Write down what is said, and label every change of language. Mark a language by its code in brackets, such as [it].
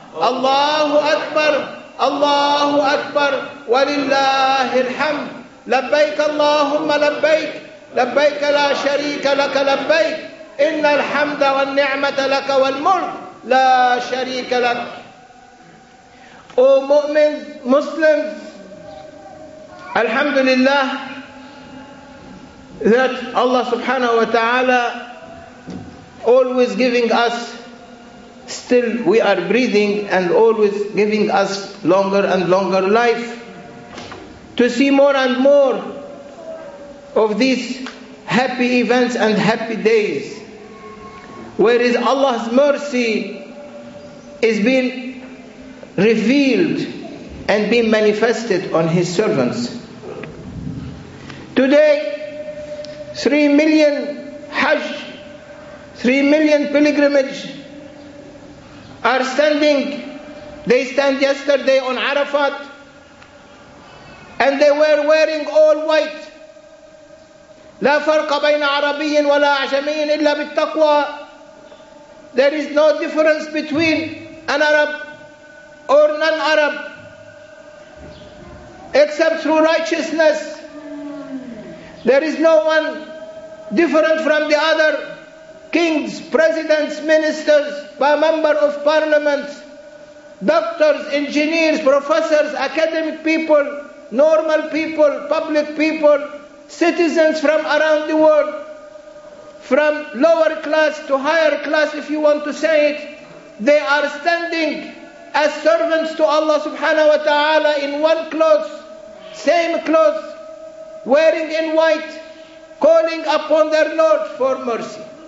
[ar] الله أكبر الله أكبر ولله الحمد. لبيك اللهم لبيك لبيك لا شريك لك لبيك إن الحمد والنعمة لك والملك لا شريك لك. أو مؤمن مسلم، الحمد لله [en] that Allah [ar] سبحانه وتعالى [en] always giving us, still we are breathing, and always giving us longer and longer life to see more and more of these happy events and happy days, where is Allah's mercy is being revealed and being manifested on His servants. Today, 3 million Hajj, 3 million pilgrimage are standing. They stand yesterday on Arafat, and they were wearing all white. [ar] لا فرق بين عربي ولا عجمي إلا بالتقوى. [en] There is no difference between an Arab or non-Arab except through righteousness. There is no one different from the other. Kings, presidents, ministers, member of parliament, doctors, engineers, professors, academic people, normal people, public people, citizens from around the world, from lower class to higher class, if you want to say it, they are standing as servants to Allah subhanahu wa ta'ala in one clothes, same clothes, wearing in white, calling upon their Lord for mercy.